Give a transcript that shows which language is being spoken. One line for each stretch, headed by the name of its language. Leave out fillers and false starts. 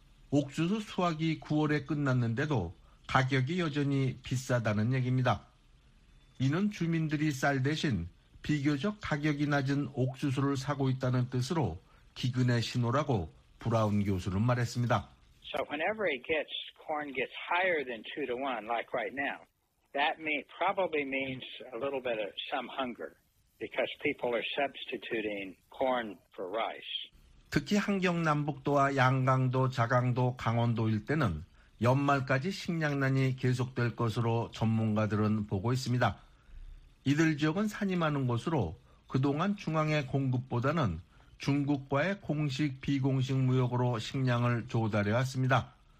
Korean: 옥수수 수확이 9월에 끝났는데도 가격이 여전히 비싸다는 얘기입니다. 이는 주민들이 쌀 대신 비교적 가격이 낮은 옥수수를 사고 있다는 뜻으로 기근의 신호라고 브라운 교수는 말했습니다.
English: So whenever it gets corn gets higher than 2-1 like right now, that may probably means a little bit of some hunger because people are substituting corn for rice.
Korean: 특히 함경남북도와 양강도, 자강도, 강원도 일대는 연말까지 식량난이 계속될 것으로 전문가들은 보고 있습니다. 이들 지역은 산이 많은 곳으로 그동안 중앙의 공급보다는 중국과의 공식, 비공식 무역으로 식량을 조달해 왔습니다.